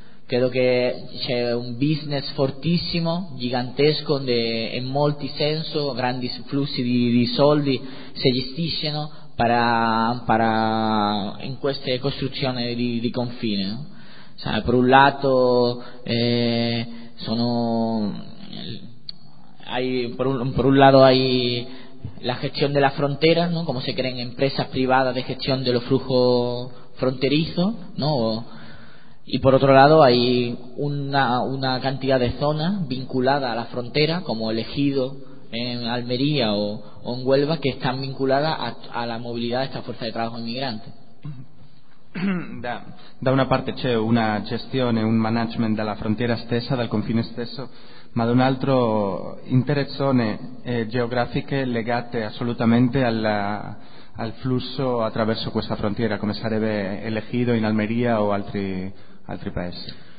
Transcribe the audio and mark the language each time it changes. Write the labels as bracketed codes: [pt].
[it] Credo che c'è un business fortissimo, gigantesco, in molti sensi, grandi flussi di soldi si gestiscono in queste costruzioni di confine, no? Cioè, per un lato hai la gestione della frontera, no? Come si creano imprese private di gestione dello flusso fronterizo, no? [es] Y por otro lado hay una cantidad de zonas vinculadas a la frontera, como el Ejido en Almería o en Huelva, que están vinculadas a la movilidad de esta fuerza de trabajo inmigrante. [it] Da una parte c'è una gestione, un management della frontiera stessa, del confine stesso, ma da un altro intere zone geografiche legate assolutamente al flusso attraverso questa frontiera, come sarebbe el Ejido in Almería o altri paesi.